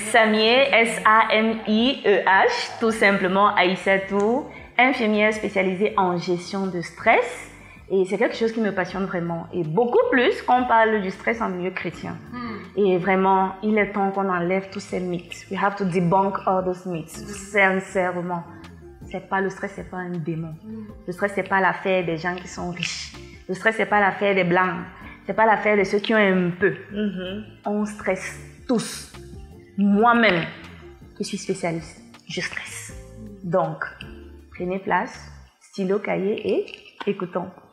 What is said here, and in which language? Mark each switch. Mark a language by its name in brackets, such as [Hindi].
[French] Samie, S-A-M-I-E-H, tout simplement Aïssatou, infirmière spécialisée en gestion de stress. Et c'est quelque chose qui me passionne vraiment. Et beaucoup plus quand on parle du stress en milieu chrétien. Mm. Et vraiment, il est temps qu'on enlève tous ces mythes. [English] We have to debunk all those mythes, [French] sincèrement. C'est pas, le stress, c'est pas un démon. Mm. Le stress, c'est pas l'affaire des gens qui sont riches. Le stress, ce n'est pas l'affaire des blancs, ce n'est pas l'affaire de ceux qui ont un peu. Mm-hmm. On stresse tous. Moi-même, qui suis spécialiste, je stresse. Donc, prenez place, stylo, cahier et écoutons.